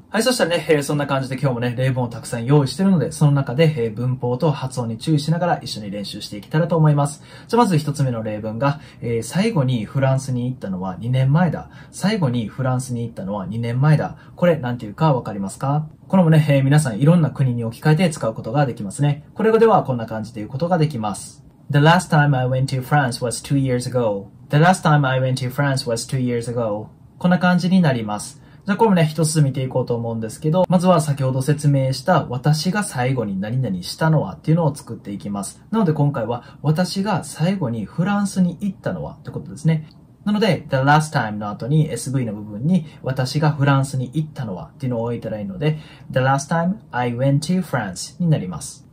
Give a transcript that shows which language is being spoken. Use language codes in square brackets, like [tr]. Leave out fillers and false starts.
[ja] はい、そしたらね、そんな感じで今日もね、例文をたくさん用意してるので、その中で、文法と発音に注意しながら一緒に練習していけたらと思います。じゃあまず一つ目の例文が、最後にフランスに行ったのは2年前だ。最後にフランスに行ったのは2年前だ。これなんていうかわかりますか？これもね、皆さんいろんな国に置き換えて使うことができますね。これではこんな感じで言うことができます。 [en] The last time I went to France was 2 years ago. The last time I went to France was 2 years ago. [ja] こんな感じになります。じゃあこれもね、一つ見ていこうと思うんですけど、まずは先ほど説明した私が最後に何々したのはっていうのを作っていきます。なので今回は私が最後にフランスに行ったのはってことですね。なので、 [en] the last time [ja] の後に SV の部分に私がフランスに行ったのはっていうのを置いたらいいので、 [en] the last time I went to France [ja] になります。